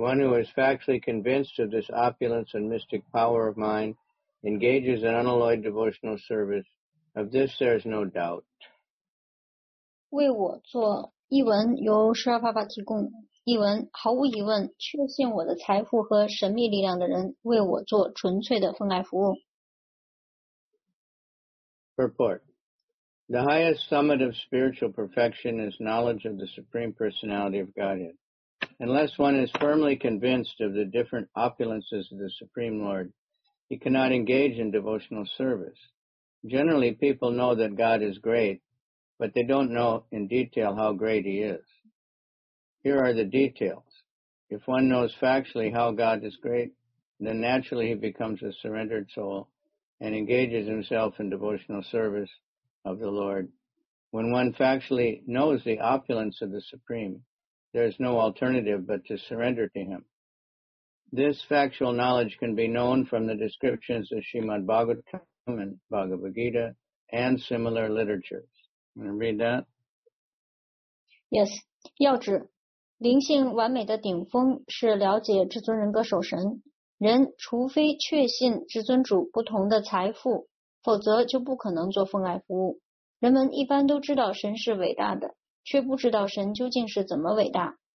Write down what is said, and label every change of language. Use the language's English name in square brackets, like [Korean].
[English] One who is factually convinced of this opulence and mystic power of mind engages in unalloyed devotional service. Of this, there is no doubt. [Chinese] 为我做译文由舍尔帕帕提供译文毫无疑问确信我的财富和神秘力量的人为我做纯粹的奉爱服务。 [English] Purport. The highest summit of spiritual perfection is knowledge of the Supreme Personality of Godhead. Unless one is firmly convinced of the different opulences of the Supreme Lord, he cannot engage in devotional service. Generally, people know that God is great, but they don't know in detail how great he is. Here are the details. If one knows factually how God is great, then naturally he becomes a surrendered soul and engages himself in devotional service. Of the Lord. When one factually knows the opulence of the Supreme, there is no alternative but to surrender to Him. This factual knowledge can be known from the descriptions of Srimad Bhagavatam and Bhagavad Gita and similar literatures. Want to read that? Yes. [Chinese] 要知，灵性完美的顶峰是了解至尊人格守神。人除非确信至尊主不同的财富否则就不可能做奉爱服务。人们一般都知道神是伟大的，却不知道神究竟是怎么伟大。